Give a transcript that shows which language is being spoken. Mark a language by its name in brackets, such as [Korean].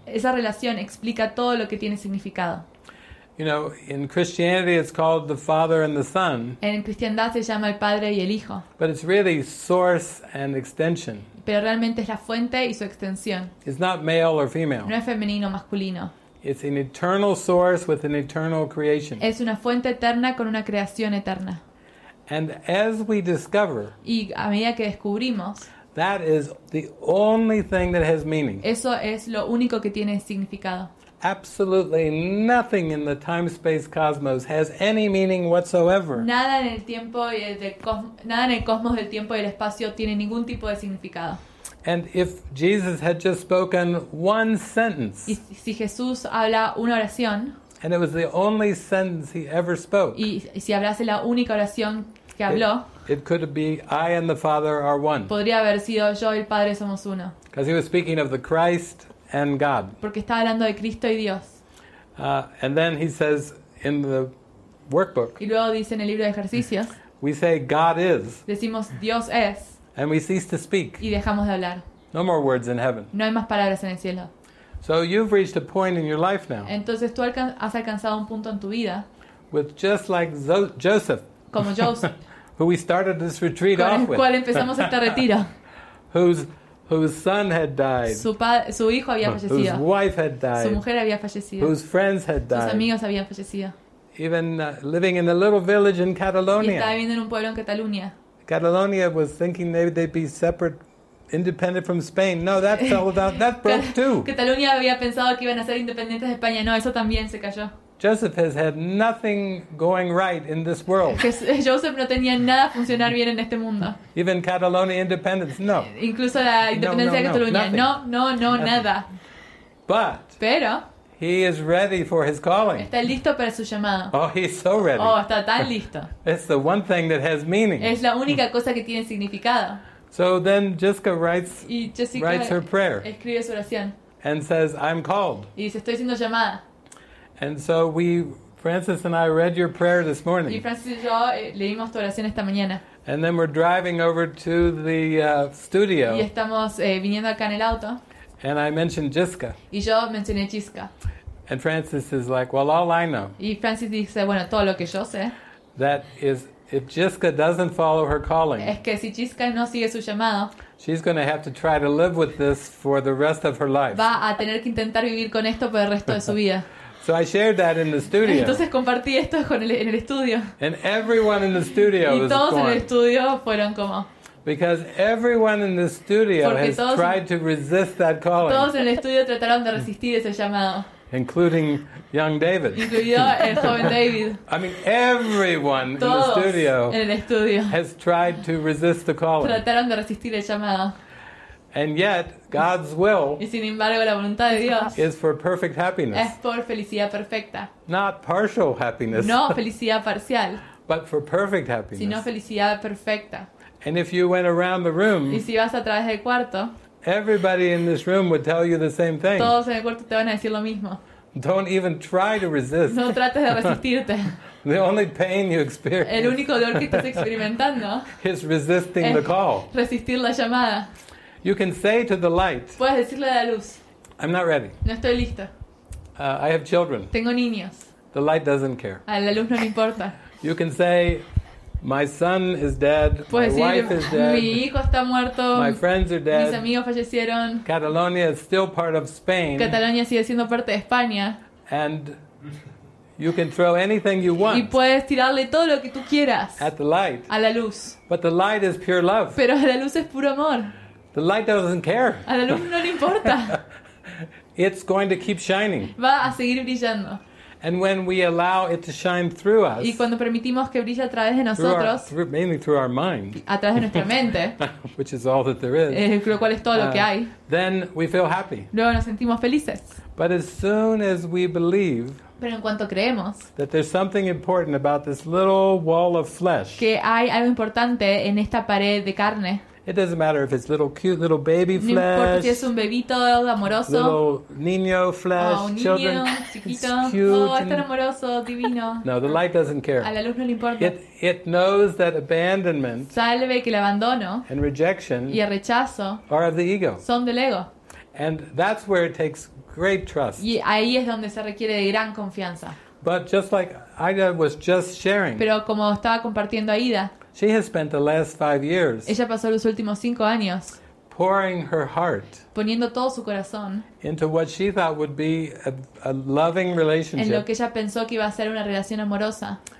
[Spanish] Esa relación explica todo lo que tiene significado. [English] You know, in Christianity it's called the Father and the Son. [Spanish] En cristiandad se llama el Padre y el Hijo. [English] But it's really source and extension. [Spanish] Pero realmente es la fuente y su extensión. [English] It's not male or female. [Spanish] No es femenino o masculino. [English] It's an eternal source with an eternal creation. [Spanish] Es una fuente eterna con una creación eterna. [English] And as we discover. [Spanish] Y a medida que descubrimos. [English] That is the only thing that has meaning. [Spanish] Eso es lo único que tiene significado. [English] Absolutely nothing in the time-space cosmos has any meaning whatsoever. [Spanish] Nada en el tiempo y nada en el cosmos del tiempo y el espacio tiene ningún tipo de significado. [English] And if Jesus had just spoken one sentence. [Spanish] Y si Jesús habla una oración. [English] And it was the only sentence he ever spoke. [Spanish] Y si hablase la única oración que habló. [English] It could be I and the Father are one. [Spanish] Podría haber sido yo y el Padre somos uno. [English] Because he was speaking of the Christ and God. [Spanish] Porque estaba hablando de Cristo y Dios. [English] And then he says in the workbook. [Spanish] Y luego dice en el libro de ejercicios. [English] We say God is. [Spanish] Decimos Dios es. [English] And we cease to speak. [Spanish] Y dejamos de hablar. [English] No more words in heaven. [Spanish] No hay más palabras en el cielo. [English] So you've reached a point in your life now. [Spanish] Entonces tú has alcanzado un punto en tu vida. [English] With just like Joseph. [Spanish] Como Joseph. [English] Who we started this retreat off with. [Spanish] Con el cual empezamos este retiro. [English] whose son had died. [Spanish] Su hijo había fallecido. [English] Whose wife had died. [Spanish] Su mujer había fallecido. [English] Whose friends had died. [Spanish] Sus amigos habían fallecido. [English] Even living in a little village in Catalonia. [Spanish] Y estaba viviendo en un pueblo en Cataluña. [English] Catalonia was thinking maybe they'd be separate, independent from Spain. No, that fell down. That broke too. [Spanish] Cataluña había pensado que iban a ser independientes de España. No, eso también se cayó. [English] Joseph has had nothing going right in this world. [Spanish] Joseph no tenía nada funcionar bien en este mundo. [English] Even Catalonia independence, no. [Spanish] Incluso la independencia de Cataluña, [English] nothing. [Spanish] Nada. [English] But. [Spanish] Pero. [English] He is ready for his calling. [Spanish] Está listo para su llamado. [English] Oh, he's so ready. [Spanish] Oh, está tan listo. [English] It's the one thing that has meaning. [Spanish] Es la única cosa que tiene significado. [English] So then Jessica writes her prayer. [Spanish] Escribe su oración. [English] And says, "I'm called." [Spanish] Y dice, estoy siendo llamada. [English] And so Francis and I read your prayer this morning. [Spanish] Y Francis y yo leímos tu oración esta mañana. [English] And then we're driving over to the studio. [Spanish] Y estamos viniendo acá en el auto. [English] And I mentioned Jessica. [Spanish] Y yo mencioné Jessica. [English] And Francis is like, "Well, all I know." [Spanish] Y Francis dice, "Bueno, todo lo que yo sé." [English] That is, if Jessica doesn't follow her calling. [Spanish] Es que si Jessica no sigue su llamado. [English] She's going to have to try to live with this for the rest of her life. [Spanish] Va a tener que intentar vivir con esto por el resto de su vida. [English] So I shared that in the studio. [Spanish] Entonces compartí esto en el estudio. [English] And everyone in the studio [Spanish] y [English] was [Spanish] todos en el estudio fueron como. [English] Because everyone in the studio has tried to resist that calling. [Spanish] Todos en el estudio trataron de resistir ese llamado. [English] Including young David. [Spanish] Incluido el joven David. [English] I mean, everyone in the studio has tried to resist the calling. [Spanish] Trataron de resistir el llamado. [English] And yet, God's will [Spanish] y sin embargo, la voluntad de Dios [English] is for perfect happiness. [Spanish] Es por felicidad perfecta. [English] Not partial happiness. [Spanish] No felicidad parcial. [English] But for perfect happiness. [Spanish] Sino felicidad perfecta. [English] And if you went around the room, [Spanish] y si vas a través del cuarto, [English] everybody in this room would tell you the same thing. [Spanish] Todos en el cuarto te van a decir lo mismo. [English] Don't even try to resist. [Spanish] No trates de resistirte. [English] The only pain you experience. [Spanish] El único dolor que estás experimentando [English] is resisting the call. [Spanish] Resistir la llamada. [English] You can say to the light, [Spanish] puedes decirle a la luz, [English] I'm not ready. [Spanish] No estoy lista. [English] I have children. [Spanish] Tengo niños. [English] The light doesn't care. [Spanish] A la luz no le importa. [English] You can say, my son is dead. [Spanish] Puedes [English] my [Spanish] decir, [English] wife is dead. [Spanish] Mi hijo está muerto. [English] My friends are dead. [Spanish] Mis amigos fallecieron. [English] Catalonia is still part of Spain. [Spanish] Catalonia sigue siendo parte de España. [English] And you can throw anything you want. [Spanish] Y puedes tirarle todo lo que tú quieras. [English] At the light. [Spanish] A la luz. [English] But the light is pure love. [Spanish] Pero la luz es puro amor. [English] The light doesn't care. [Spanish] A la luz no le importa. [English] It's going to keep shining. [Spanish] Va a seguir brillando. [English] And when we allow it to shine through us, [Spanish] y cuando permitimos que brille a través de nosotros, [English] mainly through our mind, [Spanish] a través de nuestra mente, [English] which is all that there is, [Spanish] lo cual es todo lo que hay, [English] then we feel happy. [Spanish] Luego nos sentimos felices. [English] But as soon as we believe, [Spanish] pero en cuanto creemos, [English] that there's something important about this little wall of flesh, [Spanish] que hay algo importante en esta pared de carne. [English] It doesn't matter if it's little cute little baby flesh. [Spanish] No importa si es un bebito amoroso. [English] Little niño flesh. [Spanish] Un niño, [English] children, [Spanish] chiquito. [English] It's cute. [Spanish] Oh, es tan amoroso, divino. [English] No, the light doesn't care. [Spanish] A la luz no le importa. [English] It knows that abandonment. [Spanish] Sabe que el abandono. [English] And rejection. [Spanish] Y el rechazo. [English] Are of the ego. [Spanish] Son del ego. [English] And that's where it takes great trust. [Spanish] Y ahí es donde se requiere de gran confianza. [English] But just like Ida was just sharing. [Spanish] Pero como estaba compartiendo Ida. [English] She has spent the last 5 years. [Spanish] Ella pasó los últimos 5 años. [English] Pouring her heart. [Spanish] Poniendo todo su corazón. [English] Into what she thought would be a loving relationship. [Spanish] En lo que ella pensó que iba a ser una relación amorosa.